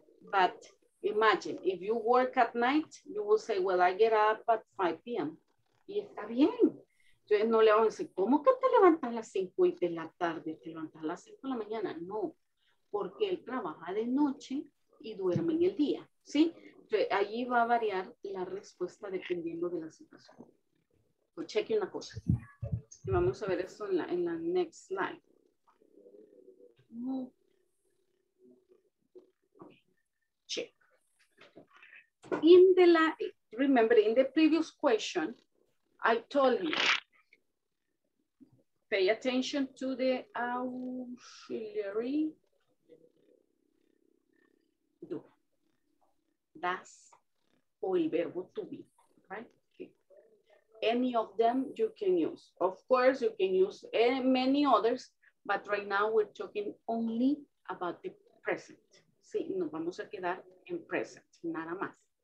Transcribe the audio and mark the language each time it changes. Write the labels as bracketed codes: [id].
[en] But imagine, if you work at night, you will say, well, I get up at 5 p.m. [es] Y está bien. Entonces, no le vamos a decir, ¿cómo que te levantas a las 5 y de la tarde? ¿Te levantas a las 5 de la mañana? No, porque él trabaja de noche y duerme en el día, ¿sí? Entonces, ahí va a variar la respuesta dependiendo de la situación. Cheque una cosa. Y vamos a ver eso en la [en] next slide. Check. In the previous question, I told you, pay attention to the auxiliary. [es] Do. Das o el verbo [en] to be, right? Any of them you can use. Of course, you can use many others, But right now we're talking only about the present. [es] Sí, nos vamos a quedar en present, nada más.